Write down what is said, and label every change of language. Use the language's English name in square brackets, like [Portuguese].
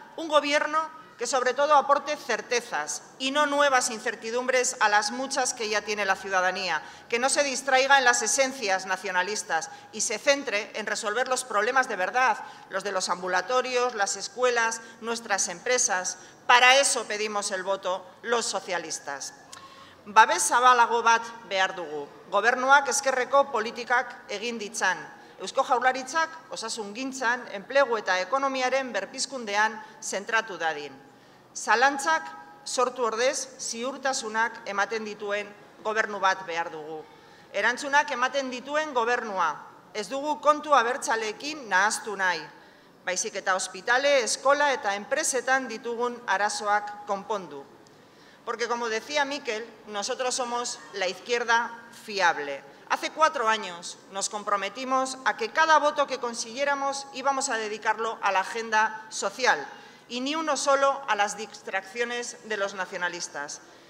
[Spanish] un Gobierno que sobre todo aporte certezas y no nuevas incertidumbres a las muchas que ya tiene la ciudadanía, que no se distraiga en las esencias nacionalistas y se centre en resolver los problemas de verdad, los de los ambulatorios, las escuelas, nuestras empresas. Para eso pedimos el voto los socialistas. [Basque] Babes zabalago bat behar dugu. Gobernuak ezkerreko politikak egin ditzan. Eusko Jaurlaritzak osasungintzan, enplegu eta ekonomiaren berpizkundean zentratu dadin. Zalantzak sortu ordez ziurtasunak ematen dituen gobernu bat behar dugu. Erantzunak ematen dituen gobernua. Ez dugu kontu abertzaleekin nahaztu nahi. Baizik eta ospitale, eskola eta enpresetan ditugun arazoak konpondu. [Spanish] Porque, como decía Mikel, nosotros somos la izquierda fiable. Hace 4 años nos comprometimos a que cada voto que consiguiéramos íbamos a dedicarlo a la agenda social y ni uno solo a las distracciones de los nacionalistas.